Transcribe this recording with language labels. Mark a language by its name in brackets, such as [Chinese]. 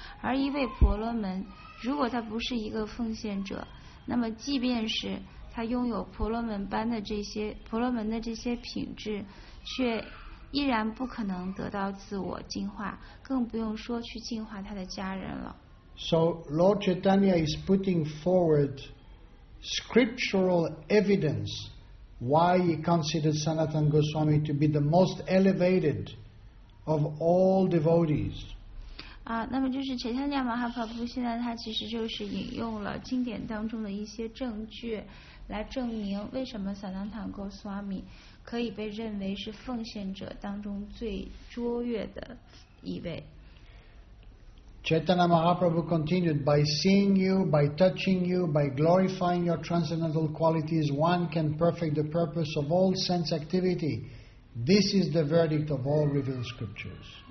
[Chinese] 而一位婆罗门，如果他不是一个奉献者，那么即便是他拥有婆罗门般的这些婆罗门的这些品质，却依然不可能得到自我净化，更不用说去净化他的家人了。 [English] So Lord Chaitanya is putting forward scriptural evidence why he considers Sanatana Goswami to be the most elevated of all devotees. [Chinese] 那么就是 Chaitanya Mahaprabhu 现在他其实就是引用了经典当中的一些证据来证明为什么 Sanatana Goswami 可以被认为是奉献者当中最卓越的一位。 [English] Chaitanya Mahaprabhu continued, by seeing you, by touching you, by glorifying your transcendental qualities, one can perfect the purpose of all sense activity. This is the verdict of all revealed scriptures.